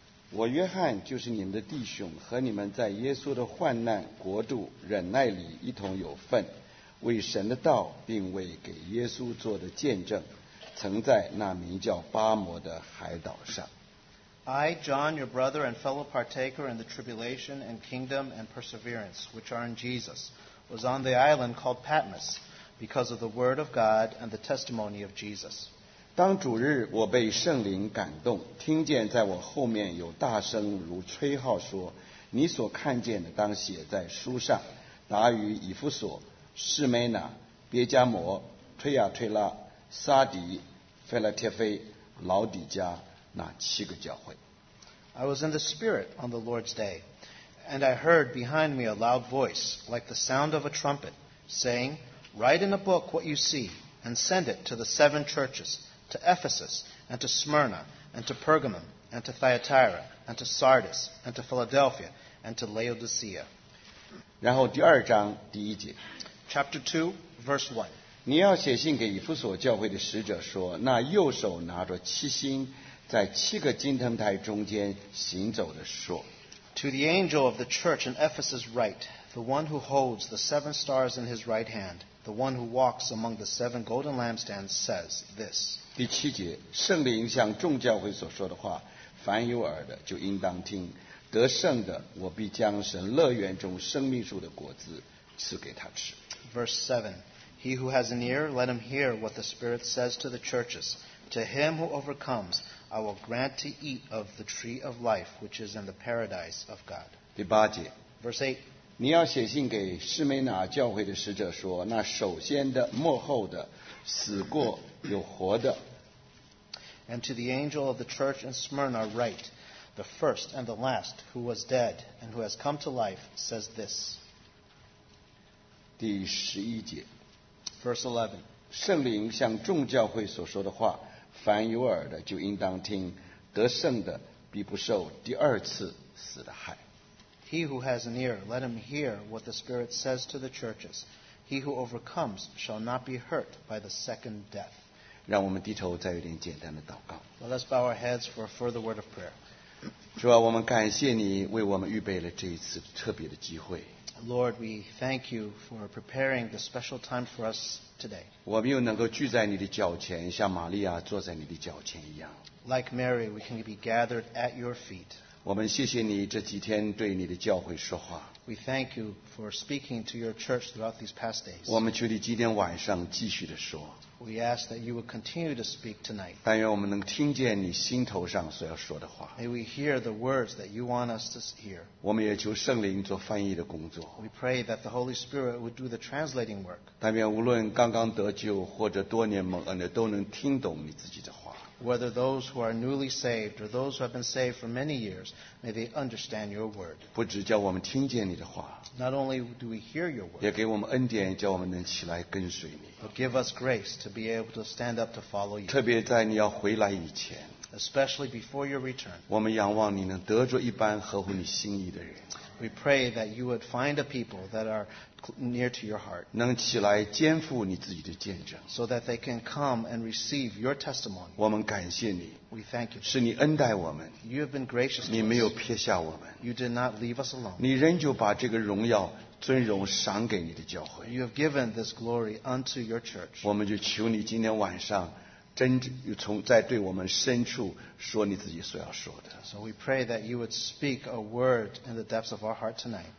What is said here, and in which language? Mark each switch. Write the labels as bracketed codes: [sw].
[zh] 我约翰就是你们的弟兄和你们在耶稣的患难国度忍耐里一同有份为神的道并为给耶稣做的见证曾在那名叫巴摩的海岛上 [en] I, John, your brother and fellow partaker in the tribulation and kingdom and perseverance which are in Jesus was on the island called Patmos because of the word of God and the testimony of Jesus [zh] 当主日我被圣灵感动听见在我后面有大声如吹号说你所看见的当写在书上达于以弗所士美那别加摩推亚推拉撒迪菲拉铁菲老底加那七个教会 [en] I was in the spirit on the Lord's day and I heard behind me a loud voice like the sound of a trumpet saying write in a book what you see and send it to the seven churchesTo Ephesus, and to Smyrna, and to Pergamum, and to Thyatira, and to Sardis, and to Philadelphia, and to Laodicea. [zh] 然后第二章第一节。 [en] Chapter 2, verse 1. [zh] 你要写信给以弗所教会的使者说，那右手拿着七星，在七个金灯台中间行走的说。 [en] To the angel of the church in Ephesus write, the one who holds the seven stars in his right hand, the one who walks among the seven golden lampstands says this. [zh] 第七节，圣灵向众教会所说的话，凡有耳的就应当听。得胜的，我必将神乐园中生命树的果子赐给他吃。 [en] Verse 7. He who has an ear, let him hear what the Spirit says to the churches. To him who overcomes, I will grant to eat of the tree of life, which is in the paradise of God. [zh] 第八节。 [en] Verse 8. [zh] 你要写信给士美那教会的使者说，那首先的、末后的、死过。有活的。 [en] And to the angel of the church in Smyrna write, the first and the last, who was dead and who has come to life, says this. [zh] 第十一节。 [en] Verse 11. [zh] 圣灵向众教会所说的话，凡有耳的就应当听，得胜的必不受第二次死的害。 [en] He who has an ear, let him hear what the Spirit says to the churches. He who overcomes shall not be hurt by the second death. [zh] 让我们低头再有点简单的祷告。 [en] Well, let's bow our heads for a further word of prayer. [zh] 主啊，我们感谢你为我们预备了这一次特别的机会。 [en] Lord, we thank you for preparing the special time for us today. [zh] 我们又能够聚在你的脚前，像玛利亚坐在你的脚前一样。 [en] Like Mary, we can be gathered at your feet. [zh] 我们谢谢你这几天对你的教会说话。 [en] We thank you for speaking to your church throughout these past days. [zh] 我们求你今天晚上继续的说。 [en] We ask that you would continue to speak tonight. [zh] 但愿我们能听见你心头上所要说的话。 [en] May we hear the words that you want us to hear. [zh] 我们也求圣灵做翻译的工作。 [en] We pray that the Holy Spirit would do the translating work. [zh] 但愿无论刚刚得救或者多年蒙恩的都能听懂你自己的话。 [en] Whether those who are newly saved or those who have been saved for many years, may they understand your word. [zh] 不只叫我们听见你的话。 [en] Not only do we hear your word, [zh] 也给我们恩典，叫我们能起来跟随你。 [en] But give us grace to be able to stand up to follow you. [zh] 特别在你要回来以前。 [en] Especially before your return. [zh] 我们仰望你能得着一般合乎你心意的人。 [en] We pray that you would find a people that are near to your heart. [zh] 能起来肩负你自己的见证。 [en] So that they can come and receive your testimony. [zh] 我们感谢你。 [en] We thank you. [zh] 是你恩待我们。 [en] You have been gracious to us. [zh] 你没有撇下我们。 [en] You did not leave us alone. [zh] 你仍旧把这个荣耀尊荣赏给你的教会。 [en] You have given this glory unto your church. [zh] 我们就求你今天晚上真从在对我们深处说你自己所要说的。 [en] So we pray that you would speak a word in the depths of our heart tonight.